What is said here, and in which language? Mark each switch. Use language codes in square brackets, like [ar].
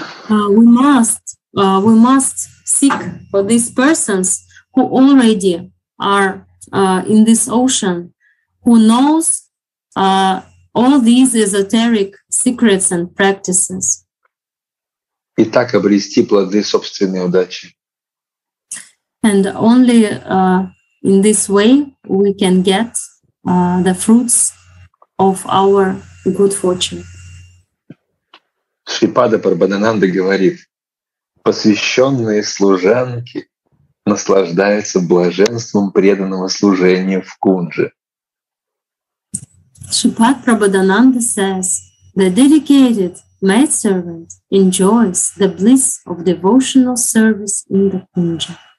[en] We must seek for these persons who already are in this ocean, who knows all these esoteric secrets and practices. [ru] И так обрести плоды собственной удачи. [en] And only in this way we can get the fruits of our good fortune. [ru] Шри Пада Парбадананда говорит: посвященные служанки наслаждаются блаженством преданного служения в кунже. [en] Шри Пада Парбадананда says, The dedicated maidservant enjoys the bliss of devotional service in the puja.